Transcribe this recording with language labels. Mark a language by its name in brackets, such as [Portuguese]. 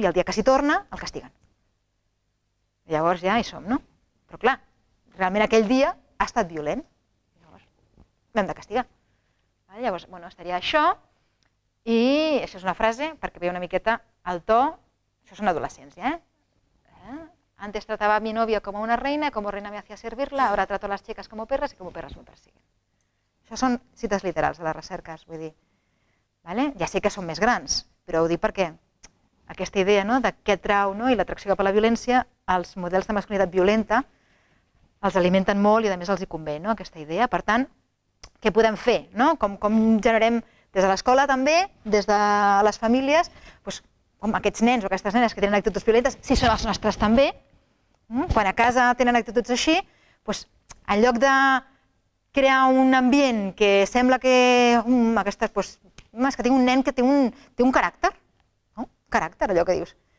[Catalan] I el dia que s'hi torna, el castiguen. Llavors ja hi som, no? Però clar, realment aquell dia ha estat violent. Llavors l'hem de castigar. Llavors, bueno, estaria això, i això és una frase, perquè veia una miqueta el to, això és una adolescència, eh? [Spanish] Antes trataba a mi novio como una reina, como reina me hacía servirla, ahora trato a las chicas como perras y como perras me persiguen. [Catalan] Això són cites literals de les recerques, vull dir, vale? Ja sé que són més grans, però ho dic perquè aquesta idea, no?, de què trau, no?, i l'atracció per la violència, els models de masculinitat violenta els alimenten molt i a més els hi convé, no?, aquesta idea. Per tant, què podem fer, no? Com generem des de l'escola també, des de les famílies, doncs, com aquests nens o aquestes nenes que tenen actituds violentes, si són els nostres també, quan a casa tenen actituds així, doncs, en lloc de crear un ambient que sembla que aquestes, doncs, és que tinc un nen que té un caràcter, no? Caràcter, allò que dius.